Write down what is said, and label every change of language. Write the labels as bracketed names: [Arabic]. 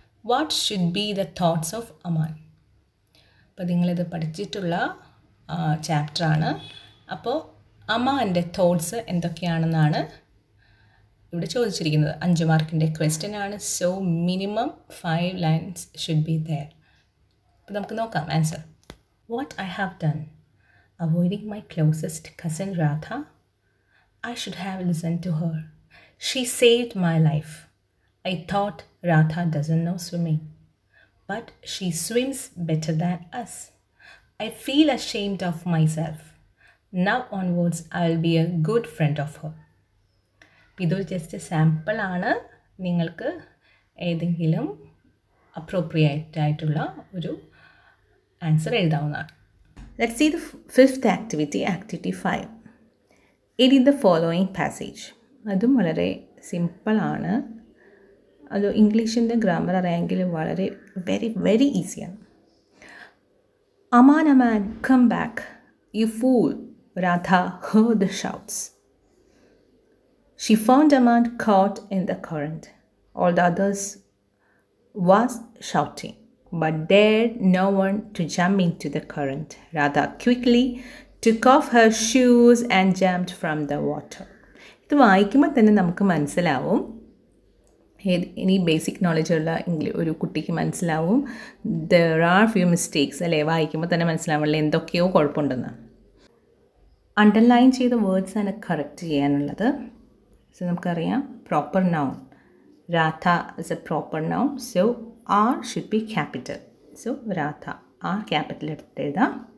[English] What should be the thoughts of Aman? [Malayalam] അപ്പം നിങ്ങളിത് പഠിച്ചിട്ടുള്ള ചാപ്റ്ററാണ്. അപ്പോൾ അമാൻ്റെ തോട്ട്സ് എന്തൊക്കെയാണെന്നാണ് ഇവിടെ ചോദിച്ചിരിക്കുന്നത്. 5 മാർക്കിൻ്റെ ക്വസ്റ്റ്യൻ ആണ്. [English] So minimum 5 lines should be there. [Malayalam] അപ്പോൾ നമുക്ക് നോക്കാം answer. [English] What I have done? Avoiding my closest cousin Radha. I should have listened to her. She saved my life. I thought Radha doesn't know swimming, but she swims better than us. I feel ashamed of myself. Now onwards, I'll be a good friend of her. [Malayalam] ഇതൊരു just സാമ്പിളാണ്. നിങ്ങൾക്ക് ഏതെങ്കിലും appropriate ആയിട്ടുള്ള ഒരു answer എഴുതാവുന്നതാണ്. [English] Let's see the fifth activity, activity 5. Edit the following passage. [Malayalam] അതും വളരെ സിമ്പിളാണ്. അത് ഇംഗ്ലീഷിൻ്റെ ഗ്രാമർ അറിയാമെങ്കിലും വളരെ വെരി വെരി ഈസിയാണ്. [English] Aman Aman, come back, you fool. Radha heard the shouts. She found Aman caught in the current. All the others was shouting. but dared no one to jump into the current. Radha quickly took off her shoes and jumped from the water. [Malayalam] ഇത് വായിക്കുമ്പോൾ തന്നെ നമുക്ക് മനസ്സിലാവും, ഇനി basic knowledge ഉള്ള English ഒരു കുട്ടിക്ക് മനസ്സിലാവും, [English] there are few mistakes [Malayalam] അല്ലേ, വായിക്കുമ്പോൾ തന്നെ മനസ്സിലാവുള്ളൂ എന്തൊക്കെയോ കുഴപ്പമുണ്ടെന്ന്. അണ്ടർലൈൻ ചെയ്ത വേർഡ്സ് ആണ് കറക്റ്റ് ചെയ്യാനുള്ളത്. സോ നമുക്കറിയാം proper noun, [English] Radha is a proper noun, so R should be capital, [Malayalam] so Radha R capital എടുത്തെഴുതാം.